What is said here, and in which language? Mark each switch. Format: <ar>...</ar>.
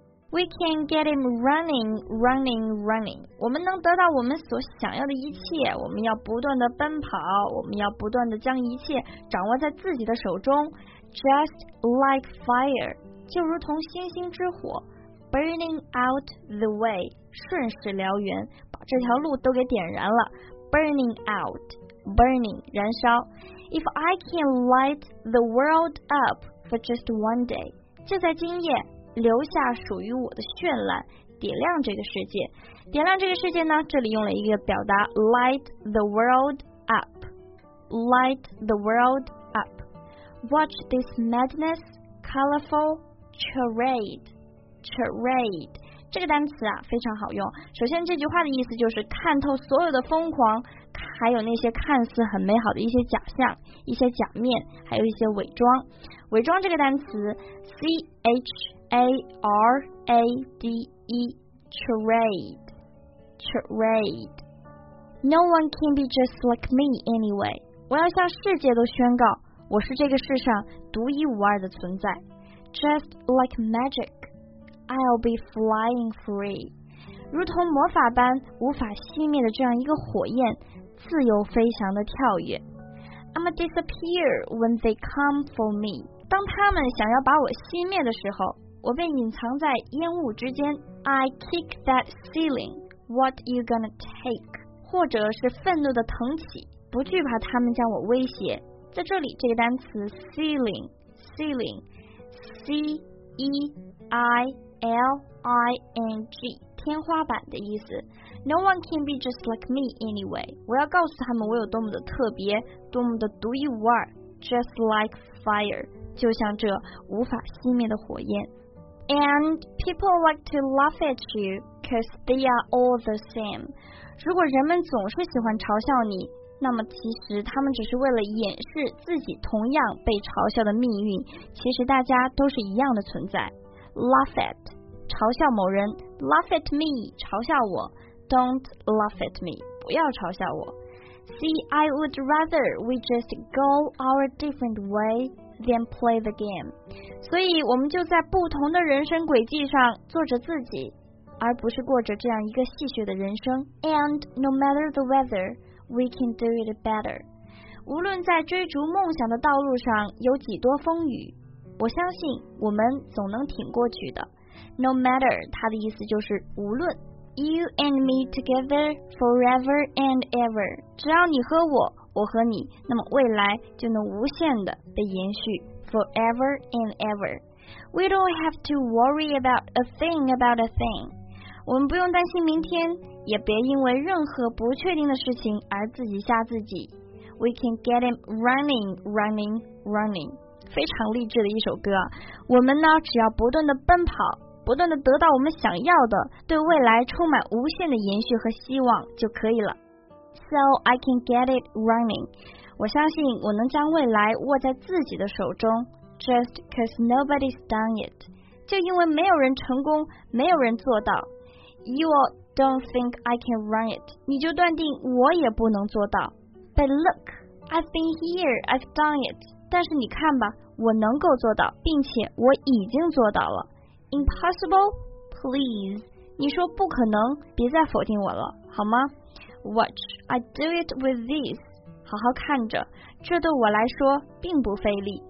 <en>We can get him running, running,</en> <zh>running， 我们能得到我们所想要的一切，我们要不断的奔跑，我们要不断的将一切掌握在自己的手中。</zh> <en>Just like fire，</en> <zh>就如同星星之火，</zh> <en>Burning out the way，</en> <zh>顺势燎原，这条路都给点燃了，</zh> <en>burning out，</en> <zh>burning， 燃烧。</zh> <en>If I can light the world up for just one day，</en> <zh>就在今夜留下属于我的绚烂，点亮这个世界。点亮这个世界呢，这里用了一个表达，</zh> <en>light the world up，</en> <zh>light the world up。</zh> <en>Watch this madness colorful charade， charade，</en> <zh>这个单词啊非常好用。首先这句话的意思就是看透所有的疯狂，还有那些看似很美好的一些假象、一些假面，还有一些伪装。伪装这个单词 charade， charade， charade。</zh> <en>No one can be just like me anyway，</en> <zh>我要向世界都宣告我是这个世上独一无二的存在。</zh> <en>Just like magicI'll be flying free，</en> <zh>如同魔法般无法熄灭的这样一个火焰，自由飞翔的跳跃。</zh> <en>I'ma disappear when they come for me，</en> <zh>当他们想要把我熄灭的时候，我便隐藏在烟雾之间。</zh> <en>I kick that ceiling， what you gonna take，</en> <zh>或者是愤怒的腾起，不惧怕他们将我威胁。在这里这个单词 ceiling， ceiling， C-E-I-L-I-N-G，天花板的意思。</zh> <en>No one can be just like me anyway.</en> <zh>我要告诉他们我有多么的特别，多么的独一无二。</zh> <en>Just like fire.</en> <zh>就像这无法熄灭的火焰。</zh> <en>And people like to laugh at you because they are all the same.</en> <zh>如果人们总是喜欢嘲笑你，那么其实他们只是为了掩饰自己同样被嘲笑的命运，其实大家都是一样的存在。</zh> <en>Laugh at</en> <zh>嘲笑某人，</zh> <en>Laugh at me</en> <zh>嘲笑我，</zh> <en>Don't laugh at me</en> <zh>不要嘲笑我。</zh> <en>See, I would rather we just go our different way than play the game.</en> <zh>所以我们就在不同的人生轨迹上做着自己，而不是过着这样一个戏谑的人生。</zh> <en>And no matter the weatherWe can do it better.</en> <zh>无论在追逐梦想的道路上有几多风雨，我相信我们总能挺过去的。</zh> <en>No matter</en> <zh>它的意思就是无论。</zh> <en>You and me together forever and ever.</en> <zh>只要你和我，我和你，那么未来就能无限的被延续。</zh> <en>Forever and ever. We don't have to worry about a thing about a thing.</en> <zh>我们不用担心明天，也别因为任何不确定的事情而自己吓自己。</zh> <en>We can get him running, running, running.</en> <zh>非常励志的一首歌。我们呢，只要不断的奔跑，不断的得到我们想要的，对未来充满无限的延续和希望就可以了。</zh> <en>So I can get it running.</en> <zh>我相信我能将未来握在自己的手中。</zh> <en>Just because nobody's done it.</en> <zh>就因为没有人成功，没有人做到。</zh> <en>Don't think I can run it.</en> <zh>你就断定我也不能做到。</zh> <en>But look, I've been here, I've done it.</en> <zh>但是你看吧，我能够做到，并且我已经做到了。</zh> <en>Impossible? Please.</en> <zh>你说不可能，别再否定我了，好吗？</zh> <en>Watch, I do it with this.</en> <zh>好好看着，这对我来说并不费力。</zh>